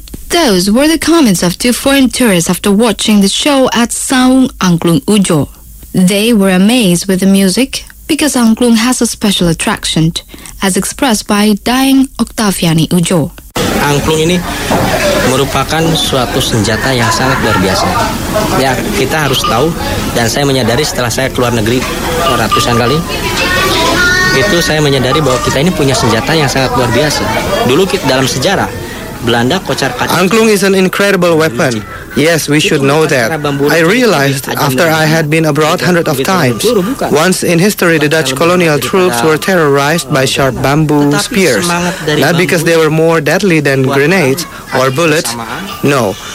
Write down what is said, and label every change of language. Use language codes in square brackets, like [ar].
[en] Those were the comments of two foreign tourists after watching the show at Saung Angklung Ujo. They were amazed with the music because angklung has a special attraction, as expressed by Daeng Octaviani Ujo. [id] Angklung ini merupakan suatu senjata yang sangat luar biasa. Ya, kita harus tahu, dan saya menyadari setelah saya keluar negeri ratusan kali, itu saya menyadari bahwa kita ini punya senjata yang sangat luar biasa. Dulu kita dalam sejarah, Belanda kocar-kacir. [en] Angklung is an incredible weapon. Yes, we should know that. I realized after I had been abroad hundreds of times. Once in history, the Dutch colonial troops were terrorized by sharp bamboo spears. Not because they were more deadly than grenades or bullets, no.